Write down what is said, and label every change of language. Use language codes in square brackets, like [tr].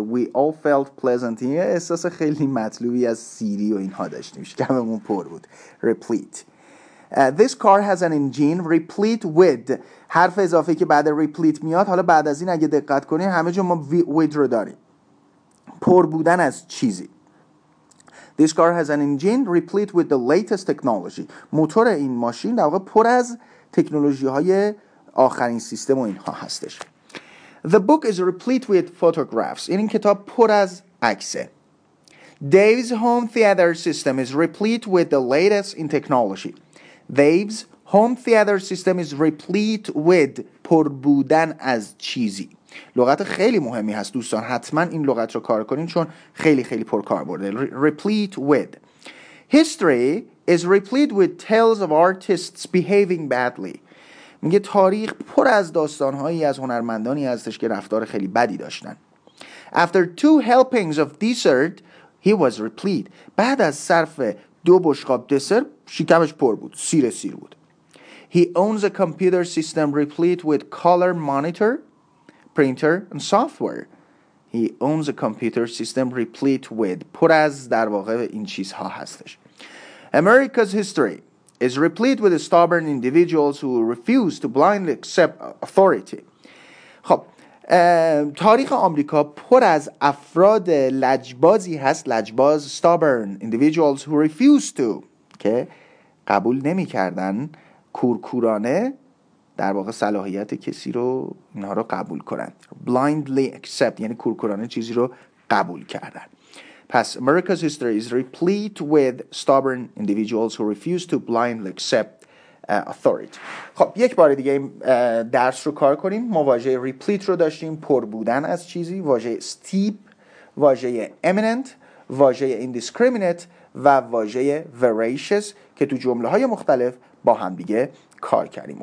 [en] we all felt pleasantly، [fa] احساس خیلی مطلوبی از سیری و اینها داشتیم، شکممون پر بود. [en] replete. This car has an engine replete with. [fa] حرف اضافه که بعد replete میاد، حالا بعد از این اگه دقت کنین همه جا ما with رو داریم، پر بودن از چیزی. [en] This car has an engine replete with the latest technology. [fa] موتور این ماشین در واقع پر از تکنولوژی های آخرین سیستم و اینها هستش. [en] The book is replete with photographs. [fa] این کتاب پر از عکسه. [en] Dave's home theater system is replete with the latest in technology. Dave's home theater system is replete with [fa] پر بودن از چیزی. لغت خیلی مهمی هست دوستان، حتما این لغت رو کار کنین چون خیلی خیلی پرکاربرده. [en] replete with. History is replete with tales of artists behaving badly. [fa] میگه تاریخ پر از داستانهایی از هنرمندانی هستش که رفتار خیلی بدی داشتن. [en] After two helpings of dessert he was replete. [fa] بعد از صرف دو بشقاب دسر شکمش پر بود، سیر سیر بود. [en] He owns a computer system replete with color monitor, printer and software. He owns a computer system replete with. [fa] پر از در واقع این چیزها هستش. [en] America's history is replete with stubborn individuals who refuse to blindly accept authority. [fa] خب تاریخ آمریکا پر از افراد لجبازی هست، لجباز، [en] stubborn individuals who refuse to، [fa] که قبول نمی کردن، کورکورانه در واقع صلاحیت کسی رو اینها رو قبول کردن. [en] blindly accept [fa] یعنی کورکورانه چیزی رو قبول کردن. [en] پس America's history is replete with stubborn individuals who refuse to blindly accept authority. [fa] خب یک بار دیگه درس رو کار کنیم. ما واژه replete رو داشتیم، پر بودن از چیزی، واژه steep، واژه imminent، واژه indiscriminate و واژه voracious که تو جمله‌های مختلف با هم دیگه کار کردیم.